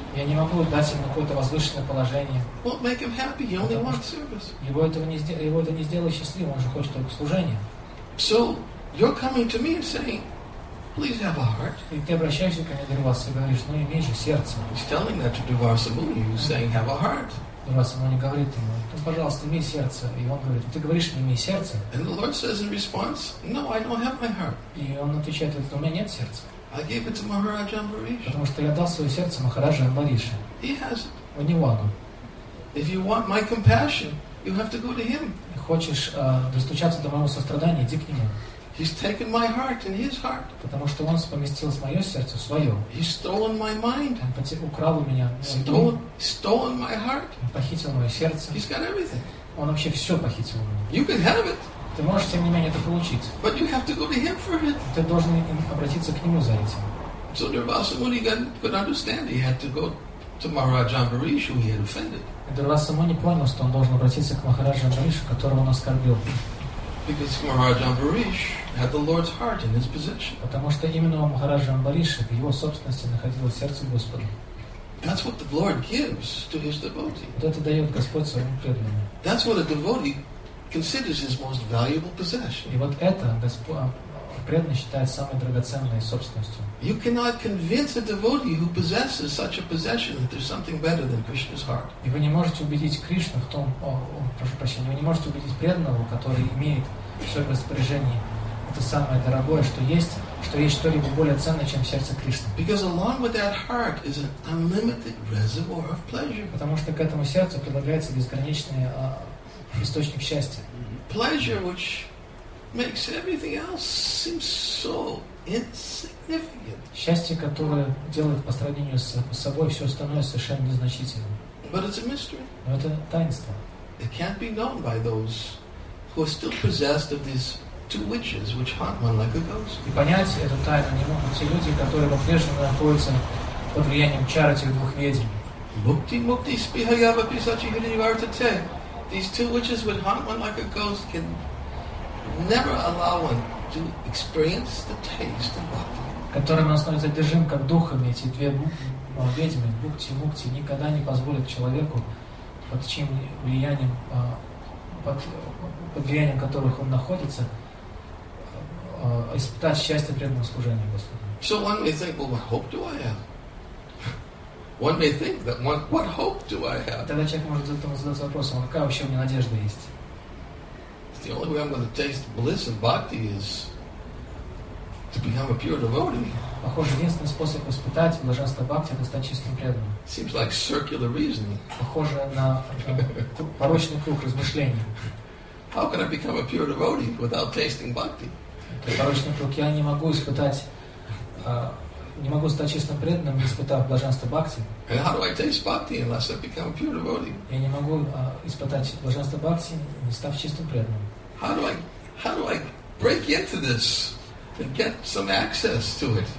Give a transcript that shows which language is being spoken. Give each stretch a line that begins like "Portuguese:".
Russian: Я не могу дать ему какое-то возвышенное положение.
English: Won't make him happy. He only wants service.
Russian: Его это не сделает счастливым. Он же хочет только служения.
English: So you're coming to me and saying, please have a heart.
Russian: И ты обращаешься ко мне, Дурвасса, и говоришь, ну имей же сердце.
English: He's telling that to Дурвасса Муни. He's saying, have a heart.
Russian: Дурвасса Муни говорит ему, ну, пожалуйста, имей сердце. И он говорит, ты говоришь мне, имей сердце.
English: And the Lord says in response, no, I don't have my heart.
Russian: И он отвечает, у меня нет сердца.
English: I gave it to Maharaj Ambarish.
Russian: Потому что я дал свое сердце Махараджа Амбариша.
English: He has it.
Russian: У него оно.
English: If you want my compassion, you have to go to him.
Russian: Хочешь достучаться до моего сострадания, иди к нему.
English: He's taken my heart in his heart.
Russian: Потому что он поместил мое сердце в свое.
English: He's stolen my mind.
Russian: Он украл у меня.
English: Stolen my heart.
Russian: Он похитил мое сердце.
English: He's got everything.
Russian: Он вообще все похитил у меня.
English: You can have it.
Russian: Ты можешь, тем не менее, это получить.
English: But you have to go to him for it.
Russian: Ты должен обратиться к нему за этим.
English: So Durvasa Muni could understand he had to go to Maharaj Ambarish, who he had offended.
Russian: Durvasa Muni понял, что он должен обратиться к Махараджу Амбаришу, которого он оскорбил.
English: Because Maharaj Ambarish had the Lord's heart in his possession.
Russian: Потому что именно у Махараджа Амбариша в его собственности находилось сердце Господа.
English: That's what the Lord gives to his devotee.
Russian: Вот это дает Господь своему преданному.
English: That's what a devotee considers his most valuable possession.
Russian: И вот это преданный считает самой драгоценной собственностью.
English: You cannot convince a devotee who possesses such a possession that there's something better than Krishna's heart.
Russian: И вы не можете убедить Кришну в том, прошу прощения, вы не можете убедить преданного, который имеет все распоряжение, это самое дорогое, что есть что-либо более ценное, чем сердце Кришны.
English: Because along with that heart is an unlimited reservoir of pleasure.
Russian: Потому что к этому сердцу прилагается безграничный источник счастья.
English: Pleasure, which makes everything else seem so insignificant.
Russian: Счастье, которое делает по сравнению с собой все остальное совершенно незначительным.
English: But it's a mystery.
Russian: Но это таинство.
English: It can't be known by those who are still possessed of these two witches, which haunt one like a ghost.
Russian: И понять эту тайну не могут те люди, которые по-прежнему находятся под влиянием чар этих двух ведьм.
Sanskrit: Mukti mukti spihayava pisachi hirinivartate.
English: These two witches would haunt one like a ghost can never allow one to experience the taste of bhakti.
Russian: Которыми он становится одержим как духами, эти две ведьмы, мукти, мукти, никогда не позволят человеку, под чьим влиянием, под влиянием которых он находится, испытать счастье преданного служения Господу.
English: So one may think, well, what hope do I have? One may think that one, what hope do I have?
Russian: Тогда человек может задать вопрос, а какая вообще у меня надежда есть?
English: The only way I'm going to taste bliss of bhakti is to become a pure devotee.
Russian: Похоже, единственный способ испытать блаженство бхакти — это стать чистым преданным.
English: Seems like circular reasoning.
Russian: Похоже на порочный круг размышлений.
English: How can I become a pure devotee without tasting bhakti?
Russian: Порочный круг. Я не могу испытать, не могу стать чистым преданным, испытав блаженство бхакти.
English: And how do I taste bhakti unless I become a pure devotee?
Russian: Я не могу испытать блаженство бхакти, не став чистым преданным.
English: How do I break into this and get some access to it?